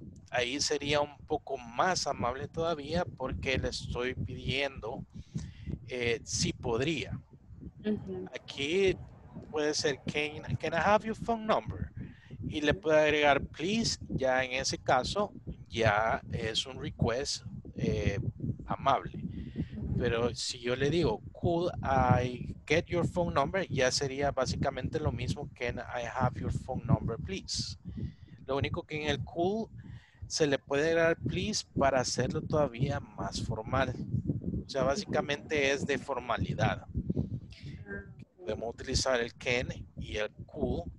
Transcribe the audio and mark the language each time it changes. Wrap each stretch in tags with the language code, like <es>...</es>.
<es>Ahí sería un poco más amable todavía porque le estoy pidiendo si podría. Aquí puede ser,</es> <en>can I have your phone number?</en> <es>Y le puedo agregar please, ya en ese caso ya es un request amable. Pero si yo le digo,</es> <en>could I get your phone number?</en> <es>Ya sería básicamente lo mismo,</es> <en>can I have your phone number please?</en> <es>Lo único que en el cool se le puede agregar please para hacerlo todavía más formal. O sea, básicamente es de formalidad. Podemos utilizar el can y el cool.</es>